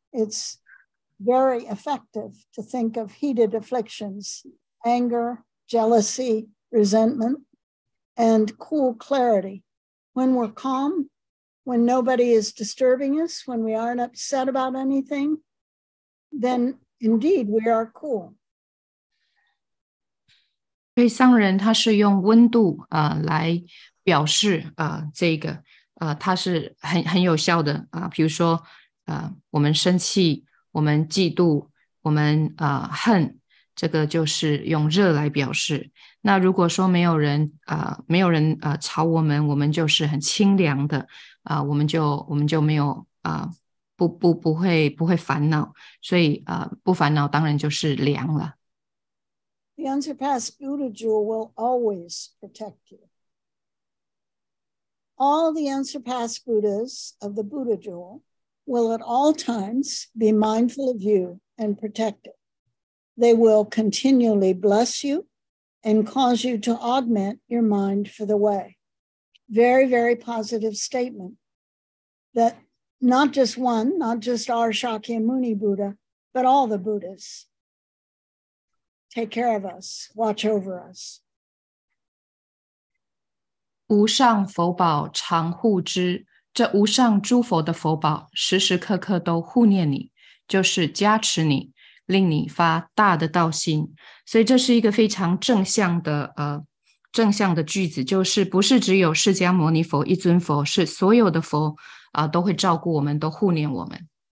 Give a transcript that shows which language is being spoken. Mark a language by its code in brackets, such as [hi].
[en] It's very effective to think of heated afflictions, anger, jealousy, resentment, and cool clarity. When we're calm, when nobody is disturbing us, when we aren't upset about anything, then indeed we are cool. [zh] 所以上人他是用温度来表示这个他是很有效的比如说我们生气，我们嫉妒，我们恨，这个就是用热来表示。那如果说没有人吵我们，我们就是很清凉的我们就没有不会烦恼，所以不烦恼当然就是凉了。 [en] The unsurpassed Buddha jewel will always protect you. All the unsurpassed Buddhas of the Buddha jewel will at all times be mindful of you and protect it. They will continually bless you and cause you to augment your mind for the way. Very, very positive statement that not just one, not just our Shakyamuni Buddha, but all the Buddhas take care of us, watch over us. [zh] 无上佛宝常护之，这无上诸佛的佛宝时时刻刻都护念你，就是加持你，令你发大的道心。所以这是一个非常正向的句子，就是不是只有释迦牟尼佛一尊佛，是所有的佛都会照顾我们，都护念我们。